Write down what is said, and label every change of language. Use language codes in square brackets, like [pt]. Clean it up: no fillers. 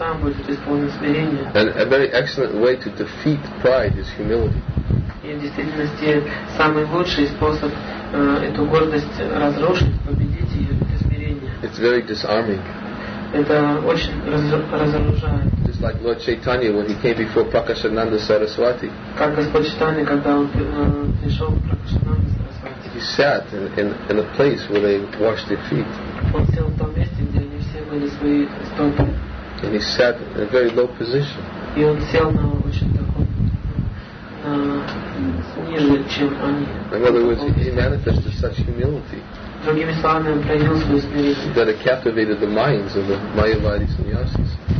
[en] And a very excellent way to defeat pride is humility. [ru] И в действительности самый лучший способ эту гордость разрушить, победить ее, это смирение. [en] It's very disarming. [ru] Это очень разоружает. [en] Just like Lord Chaitanya when he came before Prakashananda Saraswati. [ru] Как Господь Чайтанья, когда он пришел к Пракашананде Сарасвати. [en] He sat in a place where they washed their feet. [ru] Он сел в том месте, где они все были свои стопы. [en] And he sat in a very low position. [ru] И он сел на очень таком. [en] In other words, he manifested such humility that it captivated the minds of the Mayavadi sannyasis.